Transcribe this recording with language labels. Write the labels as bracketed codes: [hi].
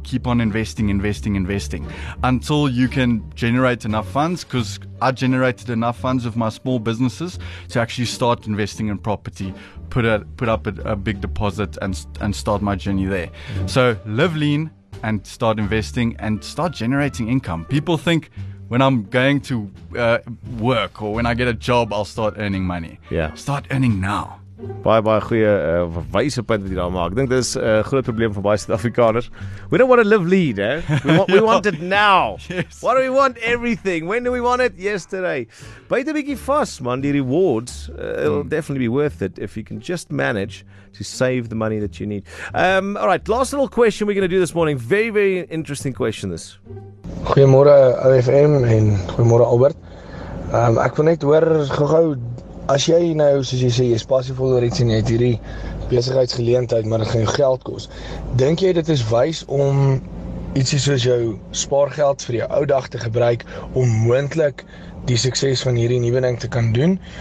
[en] Keep on investing until you can generate enough funds, because I generated enough funds with my small businesses to actually start investing in property, put up a big deposit and start my journey there. So live lean and start investing and start generating income. People think, when I'm going to work or when I get a job, I'll start earning money. Yeah. Start earning now. [af] Baie, baie goeie wyse punt wat jy daar maak. Ek dink dit is 'n groot probleem vir baie Suid-Afrikaners. [en] We don't want to live lean, eh? We want it now. Yes. What do we want? Everything. When do we want it? Yesterday. [af] Byte 'n bietjie vas, man. [en] Die rewards, it'll definitely be worth it if you can just manage to save the money that you need. All right, last little question we're going to do this morning. Very, very interesting question this. [af] Goeiemôre OFM en goeiemôre Albert. Ek wil net hoor gou-gou, as jy nou, soos jy sê, jy's passievol oor iets en jy het hierdie besigheidsgeleentheid, maar dit gaan jou geld kos. Dink jy dit is wys om ietsie soos jou spaargeld vir jou ou dag te gebruik om moontlik die sukses van hierdie nuwe ding te kan doen?